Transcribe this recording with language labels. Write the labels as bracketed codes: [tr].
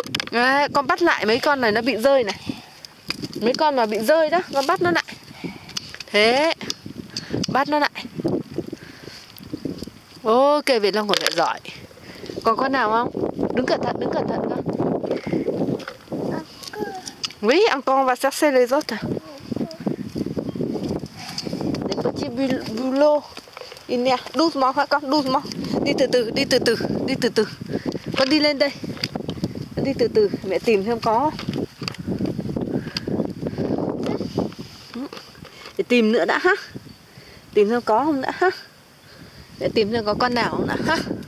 [vi] Đấy, con bắt lại mấy con này nó bị rơi này. Mấy con mà bị rơi đó, con bắt nó lại. Thế. Bắt nó lại. Ok, Việt Long còn lại giỏi. Còn con nào không? Đứng cẩn thận, đứng cẩn thận nha. [fr] Oui, encore on va chercher les autres. Des petits bulots. Il y a doucement, hein, con, doucement. [vi] Đi từ từ, đi từ từ, đi từ từ. Con đi lên đây. Con đi từ từ, mẹ tìm xem có không? Để tìm nữa đã, ha. Tìm xem có không đã, ha. Để tìm xem có con nào không nào, ha.